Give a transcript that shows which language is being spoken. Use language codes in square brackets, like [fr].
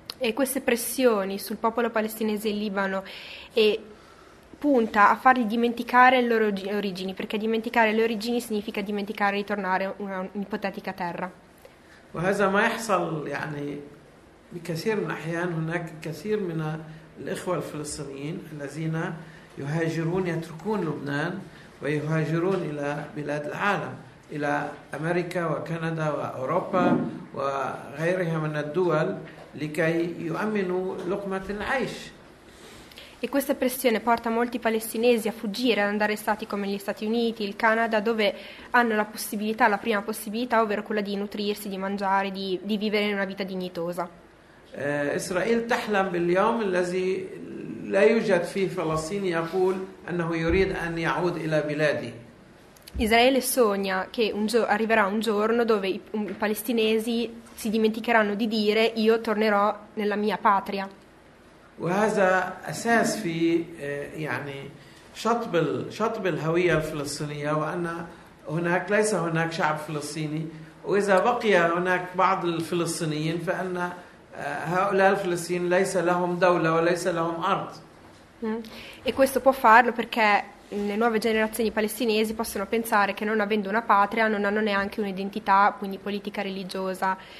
[it] E queste pressioni sul popolo palestinese in Libano e punta a fargli dimenticare le loro origini, perché dimenticare le origini significa dimenticare e ritornare a un'ipotetica terra. [ar] وهذا ما يحصل يعني بكثير من الأحيان هناك كثير من الإخوة الفلسطينيين الذين يهاجرون يتركون لبنان ويهاجرون إلى بلاد العالم إلى أمريكا وكندا وأوروبا وغيرها من الدول لكي يؤمنوا لقمة العيش. [it] E questa pressione porta molti palestinesi a fuggire, ad andare in stati come gli Stati Uniti, il Canada, dove hanno la possibilità, la prima possibilità, ovvero quella di nutrirsi, di mangiare, di vivere una vita dignitosa. [ar] Israele تحلم باليوم الذي لا يوجد فيه فلسطيني يقول أنه يريد أن يعود إلى بلادي. [it] Israele sogna che arriverà un giorno dove i palestinesi si dimenticheranno di dire io tornerò nella mia patria. [ar] وهذا أساس في يعني شطب الهوية الفلسطينية وأن هناك ليس هناك شعب فلسطيني وإذا بقي هناك بعض الفلسطينيين فإن هؤلاء الفلسطينيين ليس لهم دولة وليس لهم أرض. [it] E questo può farlo perché le nuove generazioni palestinesi possono pensare che non avendo una patria non hanno neanche un'identità, quindi politica religiosa.